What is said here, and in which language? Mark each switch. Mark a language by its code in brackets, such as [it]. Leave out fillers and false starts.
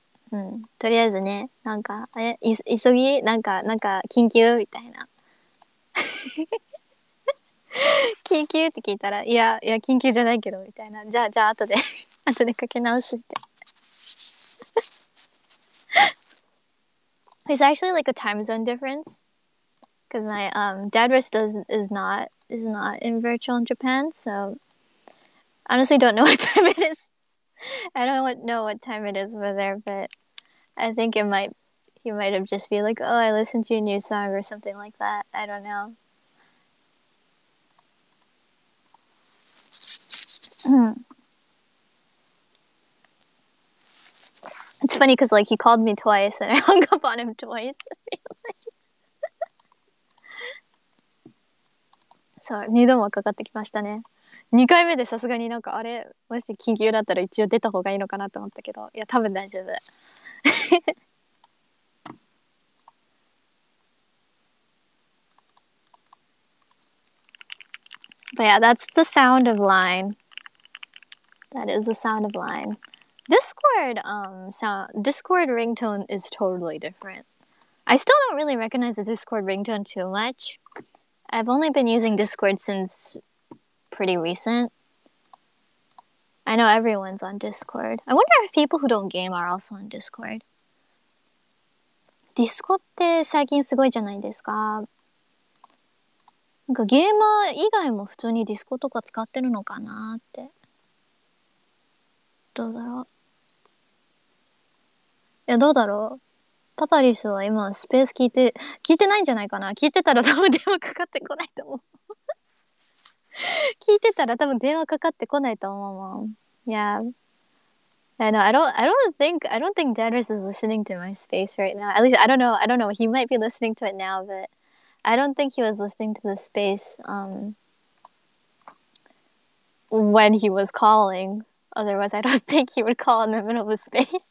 [ja] うん、とりあえずね、なんか、急ぎ、なんか、緊急みたいな。緊急って聞いたら、いや、緊急じゃないけど、みたいな。じゃあ、後でかけ直すって。 [en] It's actually like a time zone difference. Because my, dad was is not in virtual in Japan, so, honestly don't know what time it is. I don't know what time it is over there, but,I think he might have just been like, oh, I listened to a new song or something like that. I don't know. It's funny because, like, he called me twice and I hung up on him twice. [ja] そう、二度もかかってきましたね。二回目でさすがになんかあれ、もし緊急だったら一応出た方がいいのかなと思ったけど、いや、多分大丈夫。 [en] But yeah, that's the sound of Line. That is the sound of Line. Discord ringtone is totally different. I still don't really recognize the Discord ringtone too much. I've only been using Discord since pretty recent. I know everyone's on Discord. I wonder if people who don't game are also on Discord. [ja] ディスコって最近すごいじゃないですか。なんかゲーマー以外も普通にディスコとか使ってるのかなって。どうだろう。いや、どうだろう。パパリスは今スペース聞いてないんじゃないかな。聞いてたら多分電話かかってこないと思う。聞いてたら多分電話かかってこないと思うもん。いや。 [en] I don't think Dadris is listening to my space right now. At least I don't know. He might be listening to it now, but I don't think he was listening to the space when he was calling. Otherwise, I don't think he would call in the middle of a space.